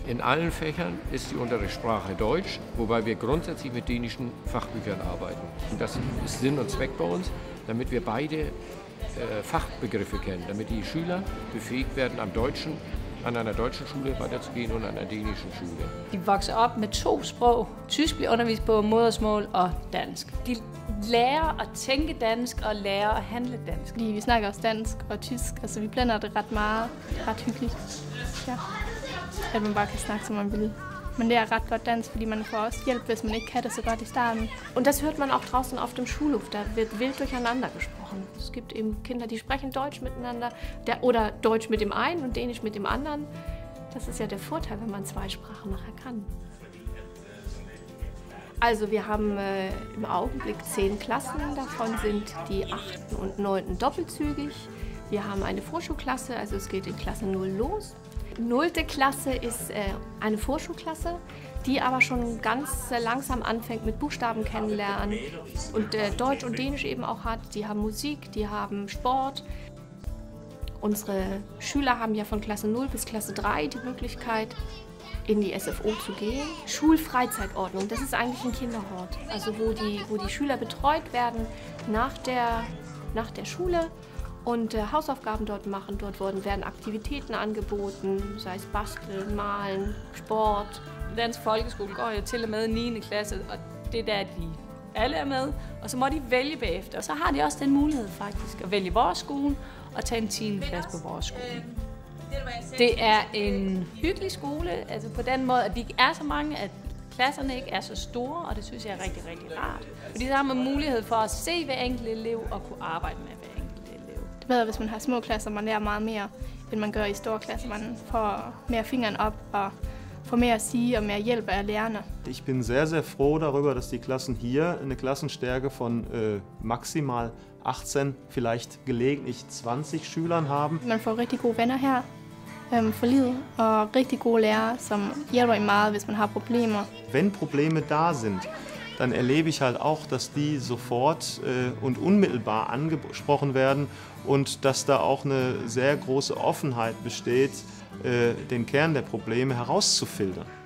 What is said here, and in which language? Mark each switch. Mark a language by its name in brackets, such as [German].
[German] In allen Fächern ist die Unterrichtssprache Deutsch, wobei wir grundsätzlich mit dänischen Fachbüchern arbeiten. Und das ist Sinn und Zweck bei uns, damit wir beide Fachbegriffe kennen, damit die Schüler befähigt werden, am Deutschen, an einer deutschen Schule weiterzugehen und an einer dänischen Schule. [Danish] Die wachsen op med to sprog. Tysk bliver undervist på modersmål og dansk. Die lærer at tænke dansk og lærer at handle dansk. Fordi vi snakker også dansk og tysk, altså vi blander det ret meget, ret hyggeligt. Ja. At man bare kan snakke, som man vil. Man lærer ret godt dansk, fordi man får også hjælp, hvis man ikke kan det så godt i starten. [German] Und das hört man auch draußen auf dem Schulhof, da wird wild durcheinander gesprochen. Es gibt eben Kinder, die sprechen Deutsch miteinander oder Deutsch mit dem einen und Dänisch mit dem anderen. Das ist ja der Vorteil, wenn man zwei Sprachen nachher kann. Also wir haben im Augenblick 10 Klassen, davon sind die 8. und 9. doppelzügig. Wir haben eine Vorschulklasse, also es geht in Klasse 0 los. 0. Klasse ist eine Vorschulklasse, die aber schon ganz langsam anfängt mit Buchstaben kennenlernen und Deutsch und Dänisch eben auch hat. Die haben Musik, die haben Sport. Unsere Schüler haben ja von Klasse 0 bis Klasse 3 die Möglichkeit, in die SFO zu gehen. Schulfreizeitordnung, das ist eigentlich ein Kinderhort, also wo die Schüler betreut werden nach der Schule und Hausaufgaben dort machen. Dort werden Aktivitäten angeboten, sei es Basteln, Malen, Sport. [Danish] Dansk Folkeskole går jo til og med 9. klasse, og det er der, de alle er med. Og så må de vælge bagefter. Og så har de også den mulighed faktisk at vælge vores skole og tage en 10. klasse på vores skole. Det er en hyggelig skole, altså på den måde, at vi ikke er så mange, at klasserne ikke er så store, og det synes jeg er rigtig, rigtig rart. Fordi så har man mulighed for at se hver enkelt elev og kunne arbejde med hver enkelt elev. Det er bedre, hvis man har små klasser, man lærer meget mere, end man gør i store klasser. Man får mere fingeren op og får mere at sige og mere hjælp af lærerne. [German] Ich bin sehr, sehr froh darüber, dass die Klassen hier eine Klassenstärke von maximal 18, vielleicht gelegentlich 20 Schülern haben. [Danish] Man får rigtig gode venner her. For livet og rigtig gode lærere, som hjælper meget, hvis man har problemer. [German] Wenn Probleme da sind, dann erlebe ich halt auch, dass die sofort und unmittelbar angesprochen werden und dass da auch eine sehr große Offenheit besteht, den Kern der Probleme herauszufiltern.